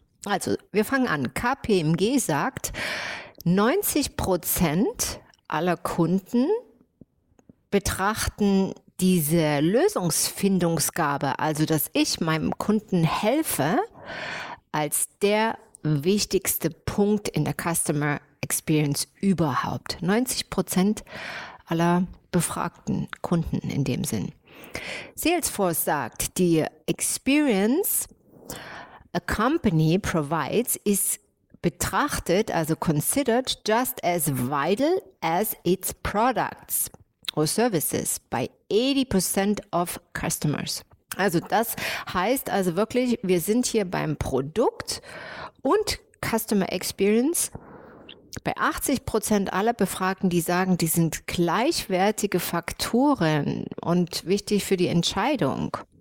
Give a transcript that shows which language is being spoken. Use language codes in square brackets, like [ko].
[de] Also wir fangen an. KPMG sagt, 90% aller Kunden betrachten diese Lösungsfindungsgabe, also dass ich meinem Kunden helfe, als der wichtigste Punkt in der Customer Experience überhaupt. 90% aller befragten Kunden in dem Sinn. [en] Salesforce [de] sagt, die [en] Experience a company provides is [de] betrachtet, also [en] considered just as vital as its products or services by 80% of customers. [de] Also das heißt also wirklich, wir sind hier beim Produkt und Customer Experience bei 80% aller Befragten, die sagen, die sind gleichwertige Faktoren und wichtig für die Entscheidung.